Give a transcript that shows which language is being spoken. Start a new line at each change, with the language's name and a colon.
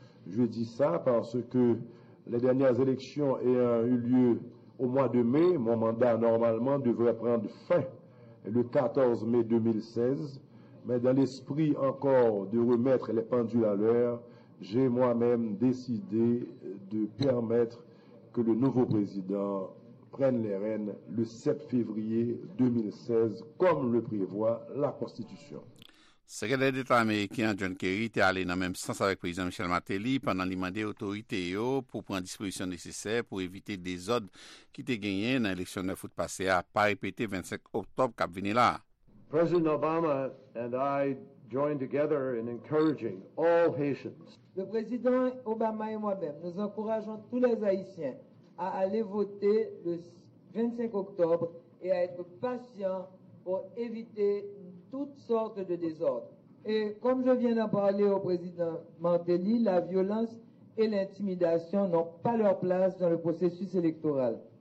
French: Je dis ça parce que les dernières élections ayant eu lieu au mois de mai, mon mandat normalement devrait prendre fin le 14 mai 2016, mais dans l'esprit encore de remettre les pendules à l'heure, j'ai moi-même décidé de permettre que le nouveau président prennent les rênes le 7 février 2016, comme le prévoit la Constitution. Secrétaire d'État américain John Kerry est allé dans le même sens avec le président Michel Martelly pendant qu'il demandait aux autorités pour prendre disposition nécessaire pour éviter des ordres qui étaient gagnés dans l'élection de foot passé à pas répéter 25 octobre qui a venu là.
English: President Obama and I joined together in encouraging all Haitians.
French: Le président Obama et moi-même, nous encourageons tous les Haïtiens à aller voter le 25 octobre et à être patient pour éviter toutes sortes de désordres. Et comme je viens d'en parler au président Martelly, la violence et l'intimidation n'ont pas leur place dans le processus électoral.